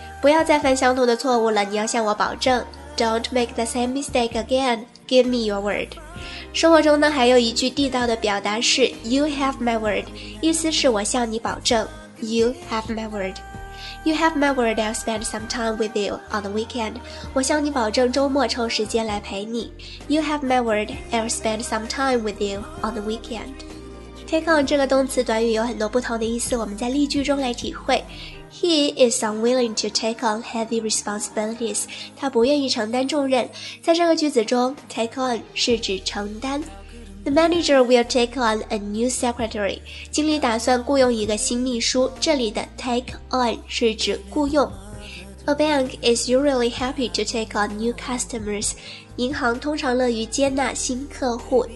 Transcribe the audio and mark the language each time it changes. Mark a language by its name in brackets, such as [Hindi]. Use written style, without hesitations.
[Chinese] 不要再犯相同的错误了，你要向我保证 [English] Don't make the same mistake again, give me your word. [Chinese] 生活中呢，还有一句地道的表达是 [English] You have my word, [Chinese] 意思是我向你保证 You have my word. [English] You have my word, I'll spend some time with you on the weekend. [Chinese] 我向你保证周末抽时间来陪你。 [English] You have my word, I'll spend some time with you on the weekend. [Chinese] Take on 这个动词短语有很多不同的意思，我们在例句中来体会。 [English] He is unwilling to take on heavy responsibilities. [Chinese] 他不愿意承担重任。在这个句子中 ,take on 是指承担。 [English] The manager will take on a new secretary. [Chinese] 经理打算雇佣一个新秘书。这里的 take on 是指雇佣。 [English] A bank is usually happy to take on new customers. [Chinese] 银行通常乐于接纳新客户。